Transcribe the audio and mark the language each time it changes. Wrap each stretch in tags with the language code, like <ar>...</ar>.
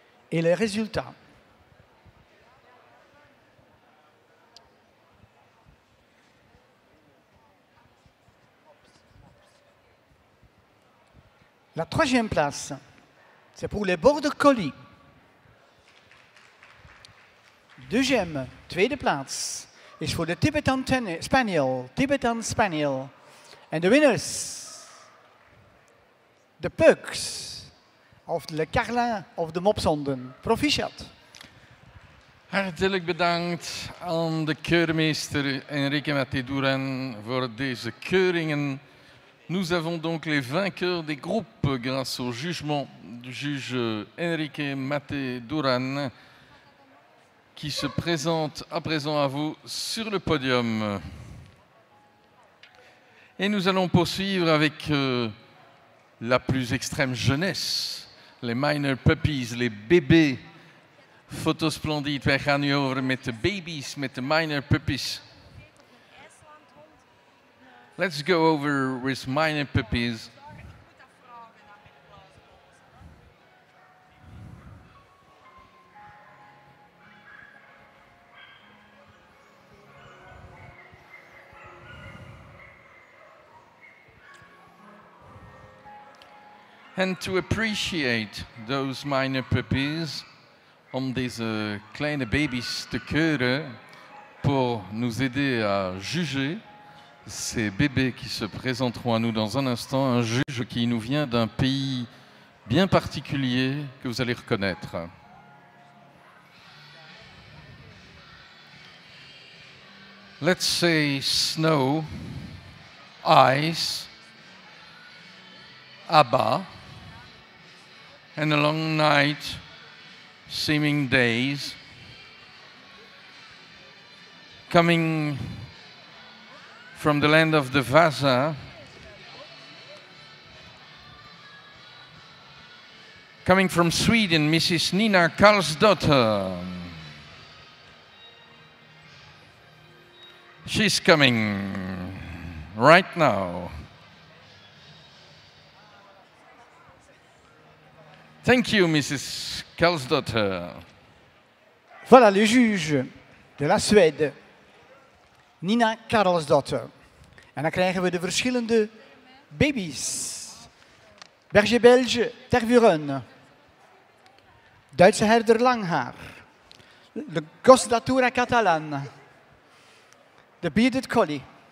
<fr>Et les résultats. La troisième place, c'est pour les Border Collie.</fr> <nl>Deuxième, tweede place, is voor de Tibetan Spaniel.</nl> <en>Tibetan Spaniel. And the winners, the Pugs,</en> <nl>of de Carlin of de Mopshonden. Proficiat. Hartelijk bedankt aan de keurmeester Enrique Mathé Duran voor deze keuringen.</nl> <fr>Nous avons donc les vainqueurs des groupes grâce au jugement du juge Enrique Mathé Duran qui se présente à présent à vous sur le podium. Et nous allons poursuivre avec la plus extrême jeunesse, les minor puppies, les bébés. Photos splendides,</fr> <nl>wij gaan nu over met de babies, met de minor puppies.</nl> <en>Let's go over with minor puppies. And to appreciate those minor puppies,</en> <nl>om deze kleine baby's te keuren</nl> <fr>pour nous aider à juger. Ces bébés qui se présenteront à nous dans un instant, un juge qui nous vient d'un pays bien particulier que vous allez reconnaître.</fr> <en>let's say snow, ice, Abba, and a long night, seeming days, coming from the land of the Vasa, coming from Sweden, Mrs. Nina Karlsdotter. She's coming right now. Thank you, Mrs. Karlsdotter.</en> <fr>Voilà le juge de la Suède, Nina Karlsdotter.</fr> <nl>En dan krijgen we de verschillende baby's. Berger Belge, Tervuren. Duitse herder Langhaar. De Gosdatura Catalan. De Bearded Collie.</nl>